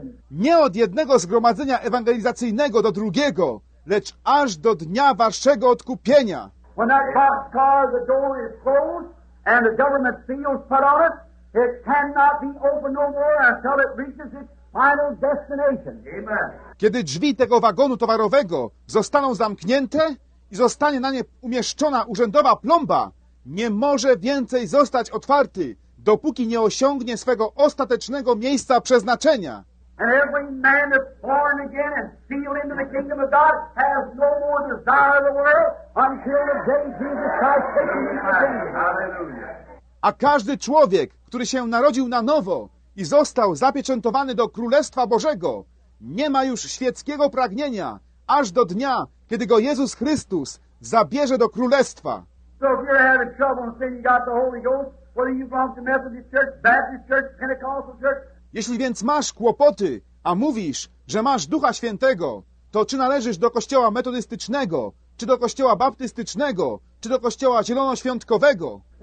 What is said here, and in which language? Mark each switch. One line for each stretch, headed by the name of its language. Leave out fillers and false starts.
Polish: Nie od jednego zgromadzenia ewangelizacyjnego do drugiego, lecz aż do dnia waszego odkupienia.
English: When that boxcar, the door is closed and the government seal's put on it, it cannot be opened no more until it reaches its final destination. Amen.
Polish: Kiedy drzwi tego wagonu towarowego zostaną zamknięte i zostanie na nie umieszczona urzędowa plomba, nie może więcej zostać otwarty, dopóki nie osiągnie swego ostatecznego miejsca przeznaczenia.
English: And every man that's born again and sealed into the kingdom of God has no more desire of the world until the day Jesus Christ takes him into the kingdom. Hallelujah.
Polish: A każdy człowiek, który się narodził na nowo i został zapieczętowany do Królestwa Bożego, nie ma już świeckiego pragnienia aż do dnia, kiedy go Jezus Chrystus zabierze do Królestwa.
English: So if you're having trouble and saying you got the Holy Ghost, whether you belong to Methodist Church, Baptist Church, Pentecostal Church,
Polish: jeśli więc masz kłopoty, a mówisz, że masz Ducha Świętego, to czy należysz do kościoła metodystycznego, czy do kościoła baptystycznego, czy do kościoła zielonoświątkowego?